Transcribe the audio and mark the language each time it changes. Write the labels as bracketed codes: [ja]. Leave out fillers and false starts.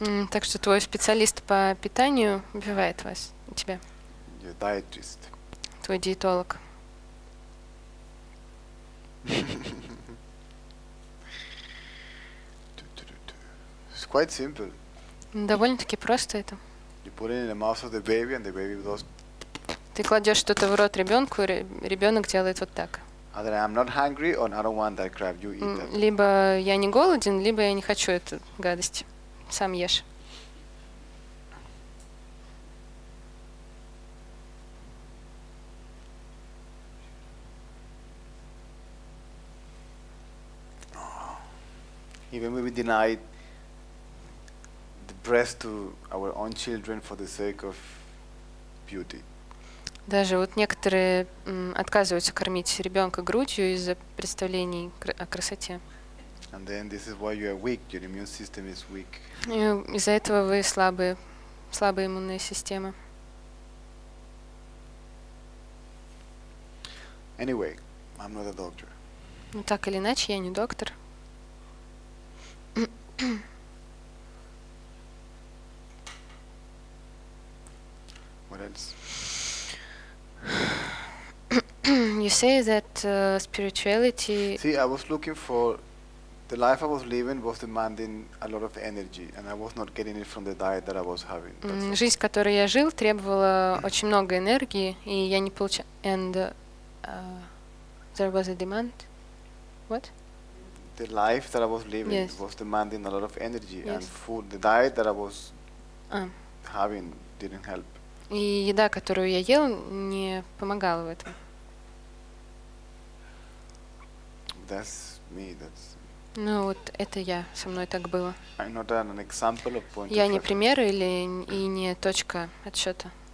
[ru] Так что твой специалист по питанию убивает вас, тебя. [en] Your dietist. [ru] Твой диетолог. [en] It's quite simple. [ru] Довольно-таки просто это. [en] You put it in the mouth of the baby and the baby does. [ru] Ты кладешь что-то в рот ребенку, и ребенок делает вот так. [en] Either I'm not hungry or I don't want that crap, you eat that. [ru] Либо я не голоден, либо я не хочу эту гадость. Сам ешь. [en] Even we denied the breast to our own children for the sake of beauty. [ru] Даже вот некоторые отказываются кормить ребенка грудью из-за представлений о красоте. [en] And then this is why you are weak. Your immune system is weak. [ru] Из-за этого вы слабые, слабая иммунная система. [en] Anyway, I'm not a doctor. [ru] Ну так или иначе, я не доктор. [en] What else? You say that spirituality. See, I was looking for. The life I was living was demanding a lot of energy, and I was not getting it from the diet that I was having. [ru] Жизнь, которой я жил, требовала очень много энергии, и я не получал. [en] And there was a demand. What? The life that I was living yes. was demanding a lot of energy, yes. and food. The diet that I was having didn't help. [ru] И еда, которую я ел, не помогала в этом. [en] That's me. That's. [ru] Ну вот это я, со мной так было. [en] I'm not an example of point [ru] я не пример или и не точка отсчета.